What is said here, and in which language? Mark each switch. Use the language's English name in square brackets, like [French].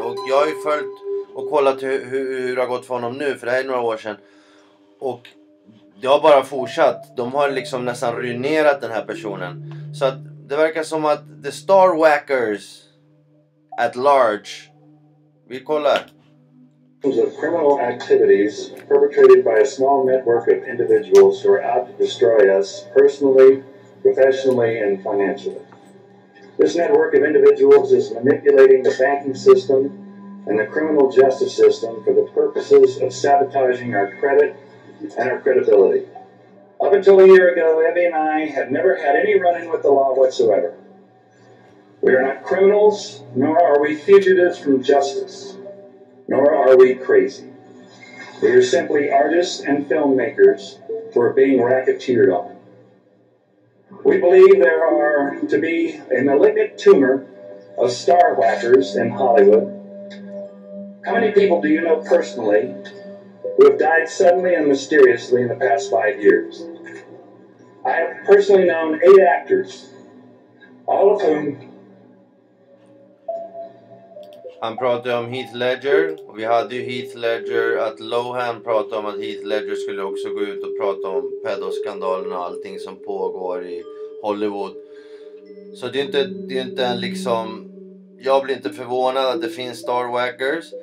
[Swedish] Och jag har ju följt och kollat hur det har gått för honom nu, för det här är några år sedan. Och det har bara fortsatt. De har liksom nästan ruinerat den här personen. Så att det verkar som att [English] The Star Wackers at large. [Swedish] Vi kollar. [English] ...of criminal activities perpetrated by a small network of individuals who are out to destroy us personally, professionally, and financially. This network of individuals is manipulating the banking system and the criminal justice system for the purposes of sabotaging our credit and our credibility. Up until a year ago, Abby and I had never had any run-in with the law whatsoever. We are not criminals, nor are we fugitives from justice, nor are we crazy. We are simply artists and filmmakers who are being racketeered on. We believe there are to be a malignant tumor of star whackers in Hollywood. How many people do you know personally who have died suddenly and mysteriously in the past 5 years? I have personally known 8 actors, all of whom... [Swedish] Han pratade om Heath Ledger. Vi hade ju Heath Ledger, att Lohan pratade om att Heath Ledger skulle också gå ut och prata om pedoskandalen och allting som pågår i Hollywood. Så det är inte en liksom... Jag blir inte förvånad att det finns Star Wackers.